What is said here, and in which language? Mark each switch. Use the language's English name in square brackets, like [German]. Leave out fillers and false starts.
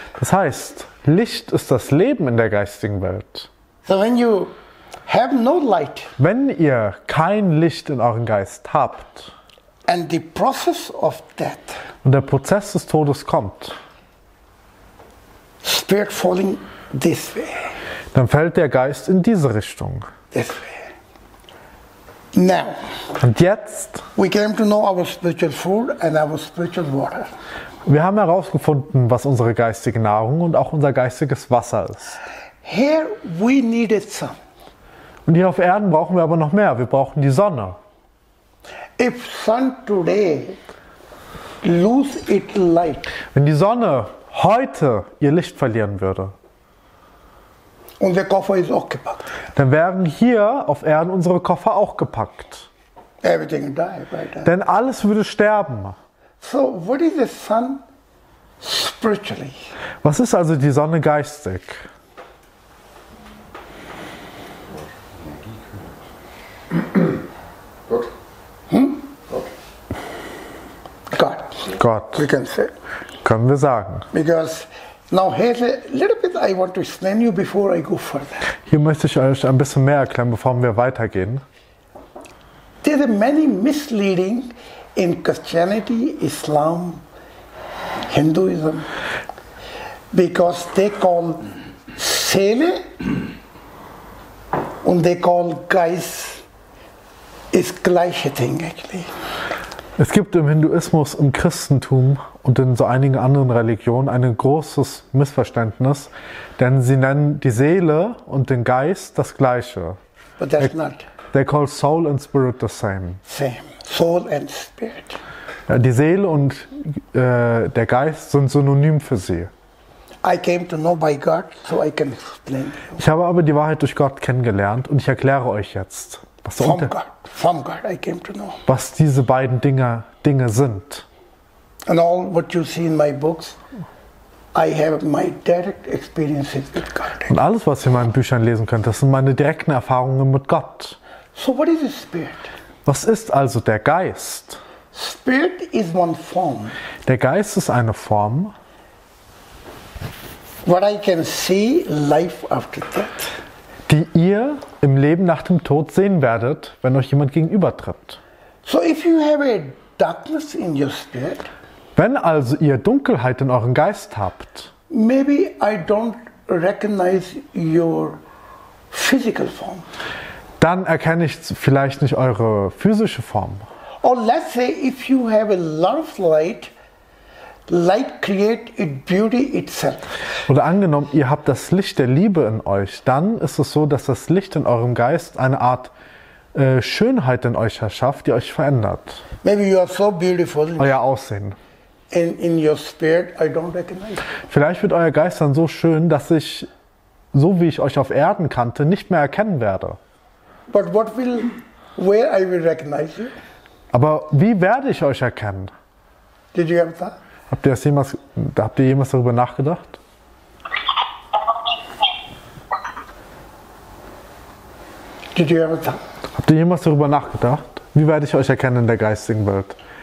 [German] Das heißt, Licht ist das Leben in der geistigen Welt. [English] So when you have no light, [German] wenn ihr kein Licht in eurem Geist habt, [English] and the process of death, [German] und der Prozess des Todes kommt, [English] spirit falling this way, [German] dann fällt der Geist in diese Richtung. [English] This way. Now, [German] und jetzt, [English] we came to know our spiritual food and our spiritual water. [German] Wir haben herausgefunden, was unsere geistige Nahrung und auch unser geistiges Wasser ist. [English] Here we needed some. [German] Und hier auf Erden brauchen wir aber noch mehr. Wir brauchen die Sonne. [English] If sun today lose its light, [German] wenn die Sonne heute ihr Licht verlieren würde, und der Koffer ist auch gepackt, dann wären hier auf Erden unsere Koffer auch gepackt. [English] Everything died right there. [German] Denn alles würde sterben. [English] So, what is the sun spiritually? [German] Was ist also die Sonne geistig? Gott. Gott. [English] We can say. [German] Können wir sagen. [English] Because now here's a little bit I want to explain you before I go further. [German] Hier möchte ich euch ein bisschen mehr erklären, bevor wir weitergehen. [English] There are many misleading in Christianity, Islam, Hinduism, because they call [German] Seele und [English] they call Geist is [German] gleiche [English] thing actually. [German] Es gibt im Hinduismus, im Christentum und in so einigen anderen Religionen ein großes Missverständnis, denn sie nennen die Seele und den Geist das gleiche. [English] But that's not. They call soul and spirit the same. Same. Soul and spirit. [German] Ja, die Seele und der Geist sind Synonym für sie. [English] I came to know by God, so I can explain. [German] Ich habe aber die Wahrheit durch Gott kennengelernt und ich erkläre euch jetzt, was [English] from God. From God I came to know. [German] Was diese beiden Dinge sind. [English] And all what you see in my books, I have my direct experiences with God. [German] Und alles, was ihr in meinen Büchern lesen könnt, das sind meine direkten Erfahrungen mit Gott. [English] So what is the spirit? [German] Was ist also der Geist? [English] Spirit is one form. [German] Der Geist ist eine Form. [English] What I can see life after death. [German] Die ihr im Leben nach dem Tod sehen werdet, wenn euch jemand gegenübertritt. [English] So if you have a darkness in your spirit. [German] Wenn also ihr Dunkelheit in euren Geist habt, [English] maybe I don't recognize your physical form. [German] Dann erkenne ich vielleicht nicht eure physische Form. [English] Or let's say if you have a lot of light, light create its beauty itself. [German] Oder angenommen, ihr habt das Licht der Liebe in euch, dann ist es so, dass das Licht in eurem Geist eine Art Schönheit in euch erschafft, die euch verändert. [English] Maybe you are so beautiful. [German] Euer Aussehen. [English] In your spirit, I don't recognize. [German] Vielleicht wird euer Geist dann so schön, dass ich, so wie ich euch auf Erden kannte, nicht mehr erkennen werde. [English] But what will, where I will recognize you? [German] Aber wie werde ich euch erkennen? [English] Did you have that? [German] Habt ihr jemals darüber nachgedacht? [English] Did you have that? [German] Habt ihr jemals darüber nachgedacht? Wie werde ich euch erkennen in der geistigen Welt?